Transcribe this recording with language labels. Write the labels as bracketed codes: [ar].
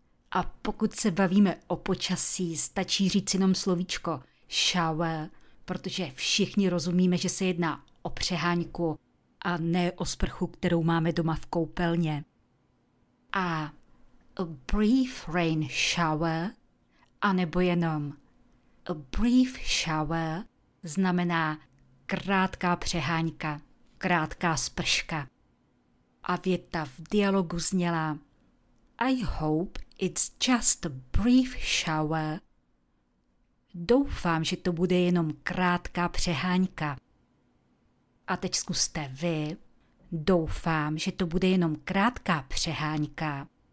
[cs] A pokud se bavíme o počasí, stačí říct jenom slovíčko shower, protože všichni rozumíme, že se jedná o přeháňku a ne o sprchu, kterou máme doma v koupelně. A [en] a brief rain shower, [cs] anebo jenom [en] a brief shower, [cs] znamená krátká přeháňka, krátká sprška. A věta v dialogu zněla [en] I hope it's just a brief shower. [cs] Doufám, že to bude jenom krátká přeháňka. A teď zkuste vy. Doufám, že to bude jenom krátká přeháňka.